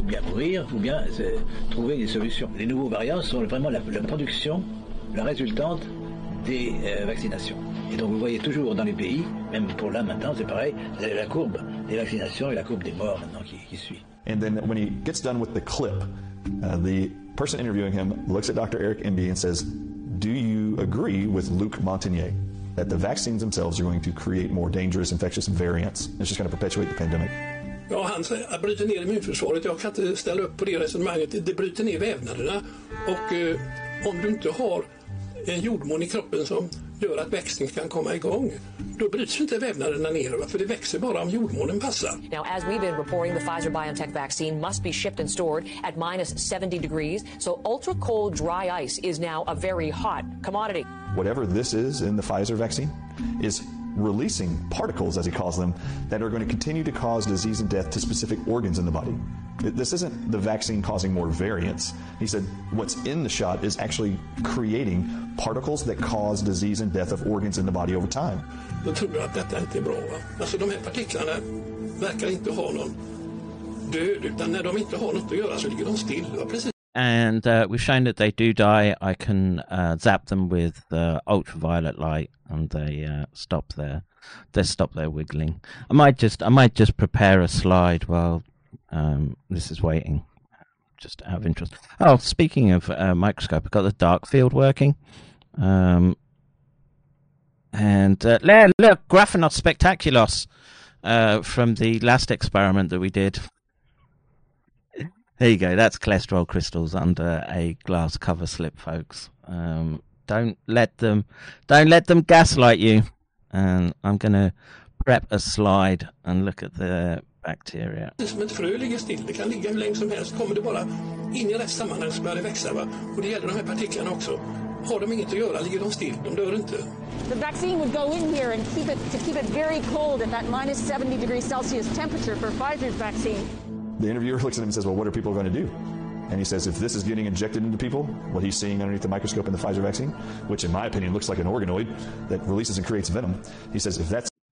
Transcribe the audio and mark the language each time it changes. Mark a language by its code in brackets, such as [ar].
[fr] Ou bien mourir, ou bien trouver des solutions. Les nouveaux variants sont vraiment la production, la résultante des vaccinations. Et donc vous voyez toujours dans les pays, même pour là maintenant, c'est pareil, la courbe des vaccinations et la courbe des morts maintenant qui suit. [en] And then when he gets done with the clip, the person interviewing him looks at Dr. Eric Embee and says, do you agree with Luc Montagnier that the vaccines themselves are going to create more dangerous infectious variants? It's just going to perpetuate the pandemic. [sv] Ja, han bryter ner immunförsvaret. Jag kan inte ställa upp på det resonemanget. Det bryter ner vävnaderna. Och om du inte har en jordmån i kroppen som gör att växten kan komma igång, då bryts inte vävnaderna ner, för det växer bara om jordmånen passar. [en] Now, as we've been reporting, the Pfizer-BioNTech vaccine must be shipped and stored at minus 70 degrees, so ultra-cold dry ice is now a very hot commodity. Whatever this is in the Pfizer vaccine is releasing particles, as he calls them, that are going to continue to cause disease and death to specific organs in the body. This isn't the vaccine causing more variants. He said what's in the shot is actually creating particles that cause disease and death of organs in the body over time. [sv] Då tror jag att detta inte är bra. Alltså, de här partiklarna verkar inte ha någon död, utan när de inte har något att göra så ligger de still. [en] And we've shown that they do die. I can zap them with ultraviolet light, and they stop there. They stop their wiggling. I might just prepare a slide while this is waiting, just out of interest. Oh, speaking of microscope, I've got the dark field working. Look, Graphenos spectaculos from the last experiment that we did. There you go, that's cholesterol crystals under a glass cover slip, folks. Don't let them gaslight you. And I'm going to prep a slide and look at the bacteria. [sv] Det är som ett frö ligger still, det kan ligga hur länge som helst. Kommer det bara in i rätt sammanhang så börjar det växa, va? Och det gäller de här partiklarna också. har de inget att göra. Ligger de still? De dör inte. [en] The vaccine would go in here and keep it to keep it very cold at that minus 70 degrees Celsius temperature for Pfizer's vaccine. The interviewer looks at him and says, well, what are people going to do? And he says, if this is getting injected into people, what he's seeing underneath the microscope in the Pfizer vaccine, which in my opinion looks like an organoid that releases and creates venom, he says, if that's...